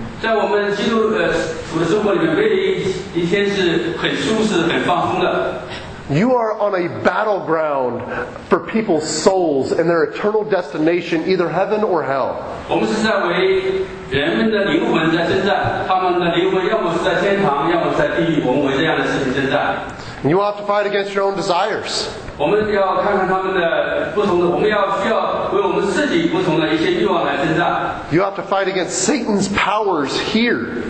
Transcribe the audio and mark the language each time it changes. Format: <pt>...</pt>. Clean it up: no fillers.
<zh>在我们基督的生活里面，没有一天是很舒适、很放松的。</zh> <en>You are on a battleground for people's souls and their eternal destination, either heaven or hell.</en> <zh>我们是在为人们的灵魂在征战，他们的灵魂要么是在天堂，要么是在地狱，我们为这样的事情征战。</zh> <en>And you will have to fight against your own desires. You have to fight against Satan's powers here.</en>